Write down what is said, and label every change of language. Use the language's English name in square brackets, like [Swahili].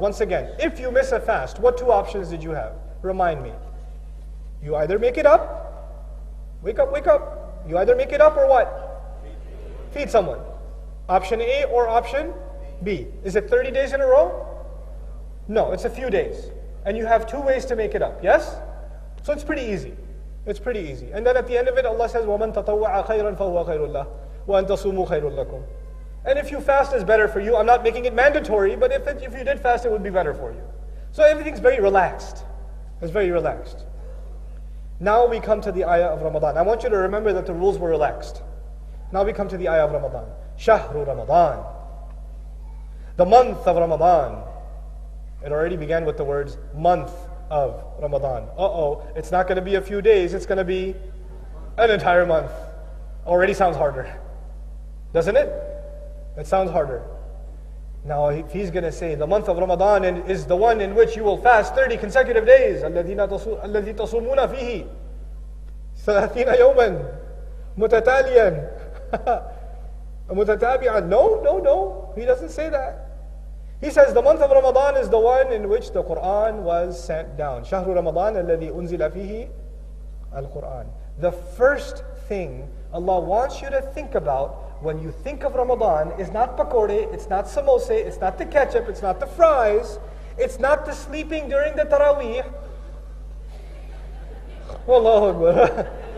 [English] Once again, if you miss a fast, what two options did you have? Remind me. You either make it up. Wake up. You either make it up or what? Feed someone. Option A or option B. Is it 30 days in a row? No, it's a few days. And you have two ways to make it up. Yes? So it's pretty easy. It's pretty easy. And then at the end of it, Allah says, [Arabic] وَمَن تَطَوَّعَ خَيْرًا فَهُوَ خَيْرٌ لَهُ وَأَن تَصُومُوا خَيْرٌ لَكُمْ. [English] And if you fast is better for you, I'm not making it mandatory, but if you did fast, it would be better for you. So everything's very relaxed. It's very relaxed. Now we come to the ayah of Ramadan. I want you to remember that the rules were relaxed. Now we come to the ayah of Ramadan. شَهْرُ Ramadan. The month of Ramadan. It already began with the words, month of Ramadan. Uh-oh, it's not going to be a few days, it's going to be an entire month. Already sounds harder. Doesn't it? It sounds harder. Now, if he's going to say, the month of Ramadan is the one in which you will fast 30 consecutive days. [Arabic] الَّذِي تَصُومُونَ فِيهِ ثَلَاثِينَ يَوْمًا مُتَتَالِيًا مُتَتَابِعًا. [English] No. He doesn't say that. He says the month of Ramadan is the one in which the Quran was sent down. [Arabic] شهر رمضان الذي أنزل فيه القرآن. [English] The first thing Allah wants you to think about when you think of Ramadan is not pakore, it's not samosa, it's not the ketchup, it's not the fries, it's not the sleeping during the Taraweeh. Allahu Akbar.